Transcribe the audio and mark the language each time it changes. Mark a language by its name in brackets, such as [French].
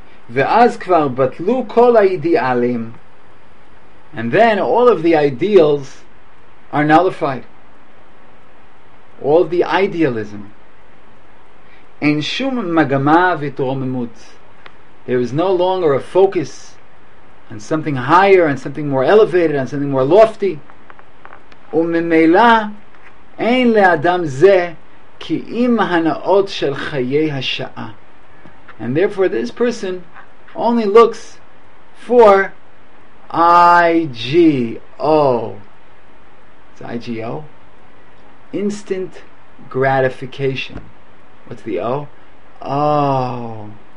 [Hebrew] ואז כבר בטלו כל האידיאלים. [English] And then all of the ideals are nullified. All of the idealism. [Hebrew] אין שום מגמה ותרוממות. [English] There is no longer a focus on something higher, on something more elevated, on something more lofty. [Hebrew] וממילא אין לאדם זה כי אם הנאות של חיי השעה. [English] And therefore this person only looks for IGO. It's IGO. Instant gratification. What's the O? Oh.